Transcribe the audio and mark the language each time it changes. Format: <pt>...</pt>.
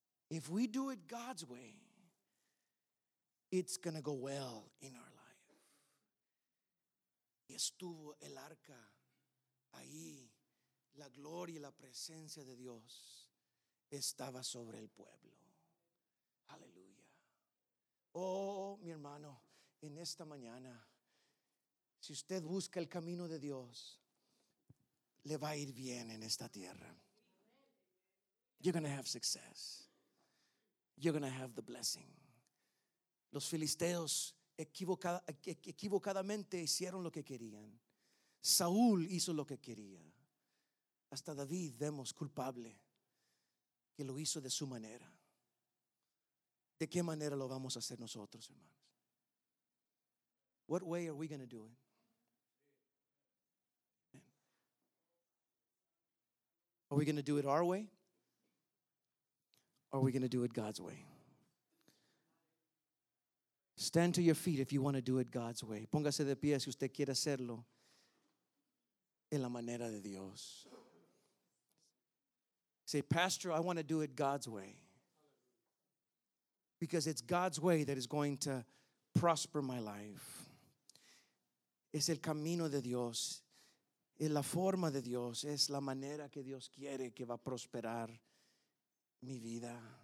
<en>If we do it God's way, it's going to go well in our life.</en> <es>Y estuvo el arca ahí, la gloria y la presencia de Dios estaba sobre el pueblo. Aleluya. Oh, mi hermano, en esta mañana, si usted busca el camino de Dios, le va a ir bien en esta tierra.</es> <en>You're going to have success. You're going to have the blessing.</en> <es>Los filisteos equivocadamente hicieron lo que querían. Saúl hizo lo que quería. Hasta David vemos culpable, que lo hizo de su manera. ¿De qué manera lo vamos a hacer nosotros, hermanos?</es> <en>What way are we going to do it? Are we going to do it our way? Or are we going to do it God's way? Stand to your feet if you want to do it God's way.</en> <es>Póngase de pie si usted quiere hacerlo en la manera de Dios.</es> <en>Say, Pastor, I want to do it God's way. Because it's God's way that is going to prosper my life.</en> <es>Es el camino de Dios. Es la forma de Dios. Es la manera que Dios quiere que va a prosperar mi vida.</es>